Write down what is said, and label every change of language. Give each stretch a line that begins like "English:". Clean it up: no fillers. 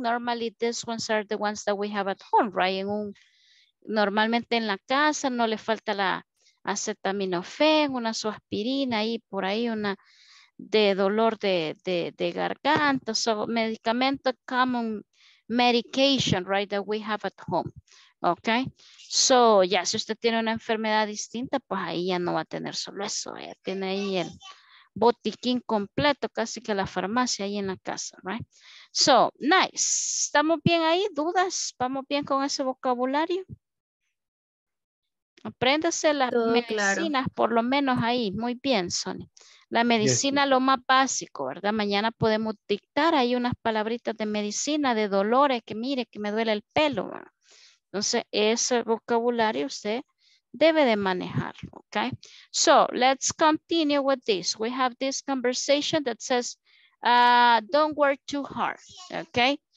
English: Normally these ones are the ones that we have at home, right?
Spanish: En un, normalmente en la casa no le falta la acetaminofén, una suaspirina y por ahí una de dolor de garganta.
English: So, medicamento common medication, right, that we have at home. Okay.
Spanish: So, ya, si usted tiene una enfermedad distinta, pues ahí ya no va a tener solo eso. Ya tiene ahí el botiquín completo, casi que la farmacia ahí en la casa, right?
English: So, nice.
Spanish: ¿Estamos bien ahí? ¿Dudas? ¿Vamos bien con ese vocabulario? Apréndase las todo medicinas, claro. Por lo menos ahí. Muy bien, Sonia. La medicina, yes, lo más básico, ¿verdad? Mañana podemos dictar ahí unas palabritas de medicina, de dolores, que mire, que me duele el pelo, ¿verdad? Entonces, ese vocabulario usted debe de manejarlo, ¿ok?
English: So, let's continue with this. We have this conversation that says, don't work too hard, ¿ok?